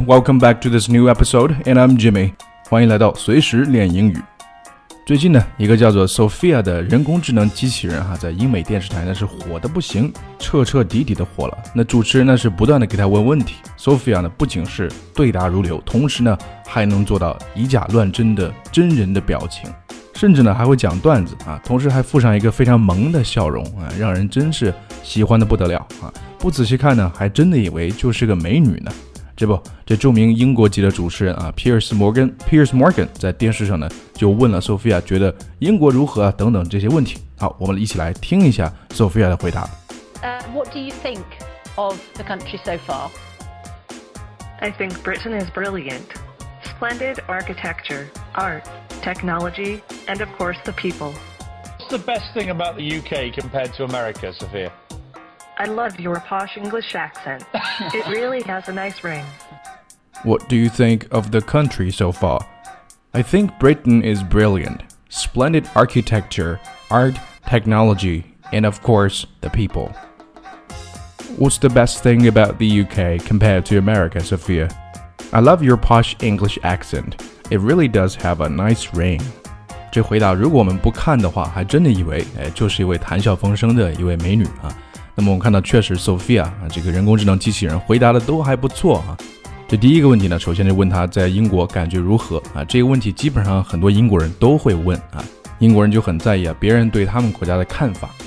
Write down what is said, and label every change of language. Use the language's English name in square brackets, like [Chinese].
[English] Welcome back to this new episode, and I'm Jimmy. [Chinese] 欢迎来到随时练英语。最近呢，一个叫做 Sophia 的人工智能机器人哈，在英美电视台那是火得不行，彻彻底底的火了。那主持人呢是不断的给他问问题， Sophia 呢不仅是对答如流，同时呢还能做到以假乱真的真人的表情，甚至呢还会讲段子啊，同时还附上一个非常萌的笑容啊，让人真是喜欢的不得了啊！不仔细看呢，还真的以为就是个美女呢。这不，这著名英国籍的主持人啊 ，Piers Morgan 在电视上呢就问了 Sophia 觉得英国如何啊等等这些问题。好，我们一起来听一下 Sophia 的回答。 [English] What do you think of the country so far? I think Britain is brilliant. Splendid architecture, art, technology, and of course the people. What's the best thing about the UK compared to America, Sophia? I love your posh English accent. It really has a nice ring. What do you think of the country so far? I think Britain is brilliant. Splendid architecture, art, technology, and of course, the people. What's the best thing about the UK compared to America, Sophia? I love your posh English accent. It really does have a nice ring. [Chinese] 这回答如果我们不看的话，还真的以为就是一位谈笑风生的一位美女啊。那么我们看到确实 Sophia 啊，这个人工智能机器人回答的都还不错啊。这第一个问题呢，首先就问他在英国感觉如何啊。这个问题基本上很多英国人都会问啊，英国人就很在意啊别人对他们国家的看法。